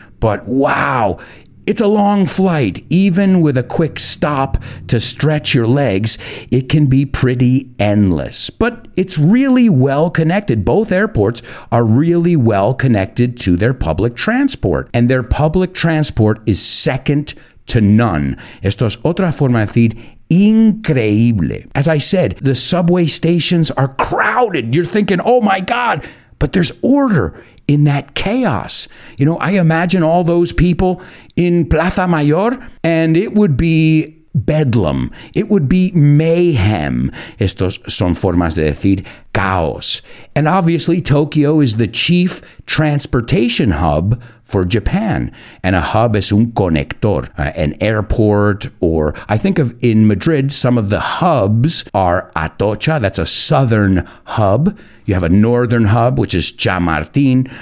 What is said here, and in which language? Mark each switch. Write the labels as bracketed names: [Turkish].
[English] But wow, it's a long flight. Even with a quick stop to stretch your legs, it can be pretty endless. But it's really well connected. Both airports are really well connected to their public transport. And their public transport is second to none. [Spanish] Esto es otra forma de decir increíble. [English] As I said, the subway stations are crowded. You're thinking, oh my God, but there's order in that chaos. You know, I imagine all those people in Plaza Mayor, and it would be bedlam. It would be mayhem. [Spanish] Estos son formas de decir caos. [English] And obviously, Tokyo is the chief transportation hub for Japan. And a hub is [Spanish] un conector, [English] an airport, or I think of in Madrid, some of the hubs are Atocha. That's a southern hub. You have a northern hub, which is Chamartín.